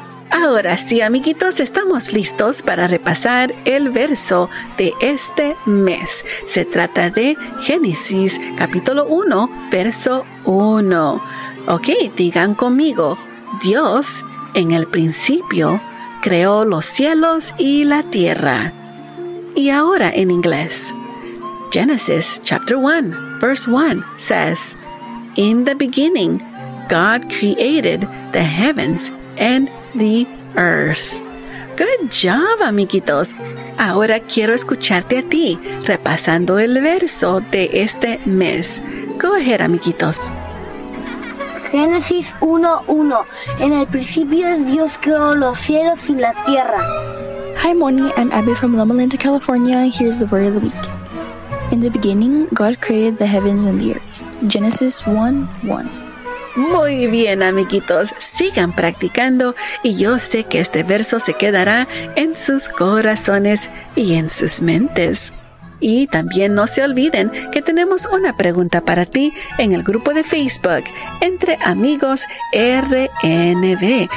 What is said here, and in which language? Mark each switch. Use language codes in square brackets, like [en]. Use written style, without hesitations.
[es] Ahora sí, amiguitos, estamos listos para repasar el verso de este mes. Se trata de Génesis, capítulo 1, verso 1. Ok, digan conmigo, Dios, en el principio, creó los cielos y la tierra. Y ahora en inglés. [en] Genesis, chapter 1, verse 1, says, In the beginning, God created the heavens and the earth. Good job, amiguitos. [es] Ahora quiero escucharte a ti repasando el verso de este mes. [en] Go ahead, amiguitos. [es] Génesis 1:1. En el principio Dios creó los cielos y la tierra. [en] Hi, Moni. I'm Abby from Loma Linda, California. Here's the word of the week. In the beginning, God created the heavens and the earth. Genesis 1:1. [es] Muy bien, amiguitos, sigan practicando y yo sé que este verso se quedará en sus corazones y en sus mentes. Y también no se olviden que tenemos una pregunta para ti en el grupo de Facebook Entre Amigos RNB.